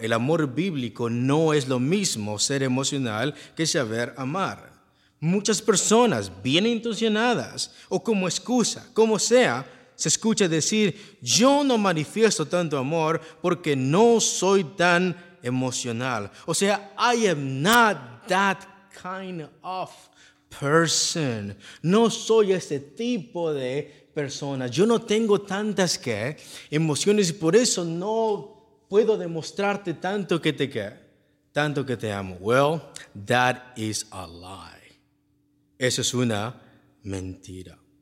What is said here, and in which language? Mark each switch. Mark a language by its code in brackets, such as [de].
[es] El amor bíblico no es lo mismo ser emocional que saber amar. Muchas personas bien intencionadas o como excusa, como sea, se escucha decir, yo no manifiesto tanto amor porque no soy tan emocional. O sea, [en] I am not that kind of person. [es] No soy ese tipo de persona. Yo no tengo tantas que emociones y por eso no puedo demostrarte tanto que te que tanto que te amo. [en] Well, that is a lie. [es] Eso es una mentira.